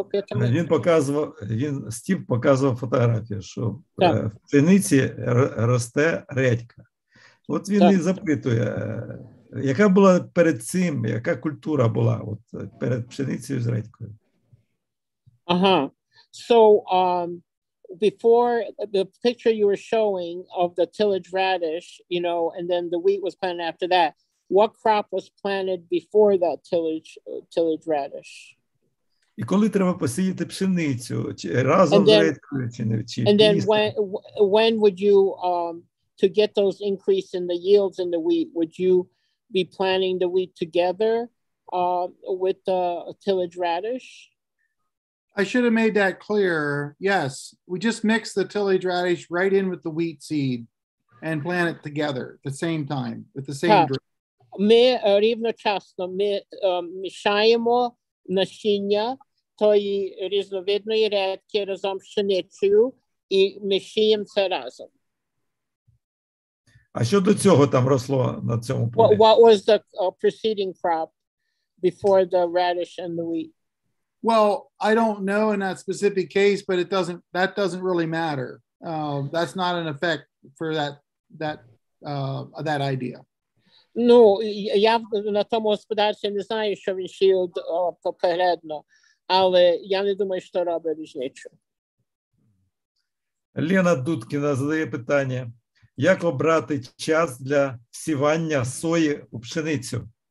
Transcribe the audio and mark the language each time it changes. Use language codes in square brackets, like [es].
[uk] він показував, Стів показував фотографію, що в пшениці росте редька. От він і запитує, яка була перед цим, яка культура була от перед пшеницею з редькою? Ага. [en] So, before the picture you were showing of the tillage radish, you know, and then the wheat was planted after that, what crop was planted before that tillage radish? [uk] І коли треба посіяти пшеницю, чи разом з рідкою, чи не вчити? [en] And then when would you, to get those increase in the yields in the wheat, would you be planting the wheat together with the tillage radish? I should have made that clear. Yes, we just mix the tillage radish right in with the wheat seed and plant it together at the same time, with the same drip. [uk] Ми рівночасно мішаємо насіння тої різновидної редки разом з пшеницею і мішаємо це разом. А що до цього там росло на цьому полі? [en] What was the preceding crop before the radish and the wheat? Well, I don't know in that specific case, but that doesn't really matter. That's not an effect for that idea. [uk] Ну, я на тому господарстві не знаю, що він сіяв попередно, але я не думаю, що робить різницю. Лена Дудкіна задає питання. Як обрати час для всівання сої у пшеницю?